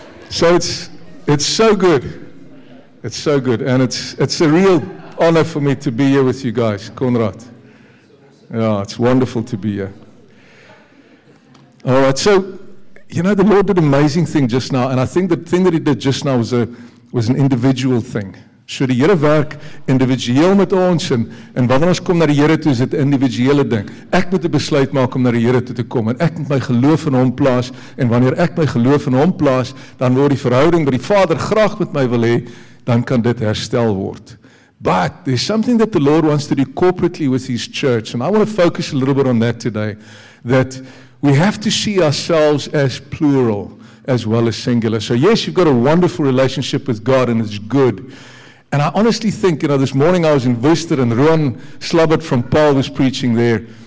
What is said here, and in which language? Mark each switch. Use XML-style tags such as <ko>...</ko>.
<en>So it's so good. It's so good. And it's a real honor for me to be here with you guys, Konrad. Yeah, it's wonderful to be here. All right, so... You know, the Lord did an amazing thing just now, and I think the thing that he did just now was an individual thing.</en> <af>So die Here werk individueel met ons, en wanneer ons kom naar die Here toe, is het individuele ding. Ek moet een besluit maak om naar die Here toe te kom, en ek moet my geloof in hom plaas, en wanneer ek my geloof in hom plaas, dan word die verhouding wat die Vader graag met my wil hê, dan kan dit herstel word.</af> <en>But there's something that the Lord wants to do corporately with his church, and I want to focus a little bit on that today, that... We have to see ourselves as plural as well as singular. So yes, you've got a wonderful relationship with God and it's good. And I honestly think, you know, this morning I was in Worcester and Ruan Slobbert from Paul was preaching there.</en>